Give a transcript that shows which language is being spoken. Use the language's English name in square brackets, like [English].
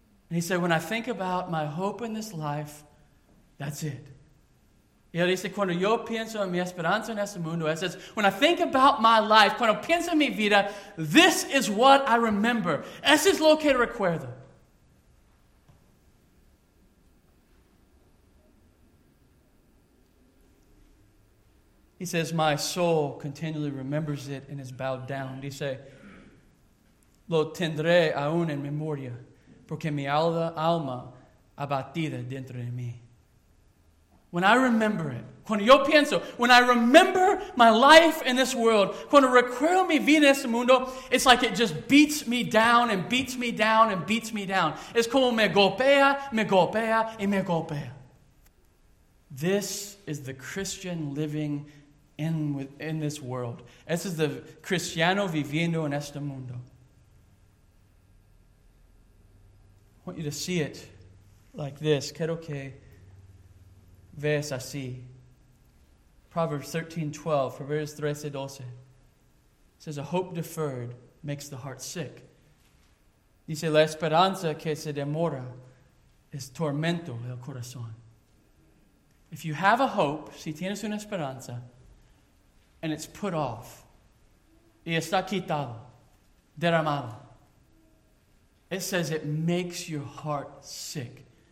[English] And he said, when I think about my hope in this life, that's it. [Spanish] Y él dice, cuando yo pienso en mi esperanza en este mundo, él [English] says, when I think about my life, [Spanish] cuando pienso en mi vida, [English] this is what I remember. [Spanish] Eso es lo que recuerdo. [English] He says, my soul continually remembers it and is bowed down. [Spanish] Dice, lo tendré aún en memoria, porque mi alma abatida dentro de mí. [English] When I remember it, [Spanish] cuando yo pienso, [English] when I remember my life in this world, [Spanish] cuando recuerdo mi vida en este mundo, [English] it's like it just beats me down and beats me down and beats me down. [Spanish] Es como me golpea y me golpea. [English] This is the Christian living in this world. [Spanish] Este es el cristiano viviendo en este mundo. [English] I want you to see it like this. [Spanish] Quiero que veas así. [English] Proverbs 13:12, Proverbs 13:12. Says, a hope deferred makes the heart sick. [Spanish] Dice, la esperanza que se demora es tormento el corazón. [English] If you have a hope, [Spanish] si tienes una esperanza, [English] and it's put off, [Spanish] y está quitado, derramado, [English] it says it makes your heart sick.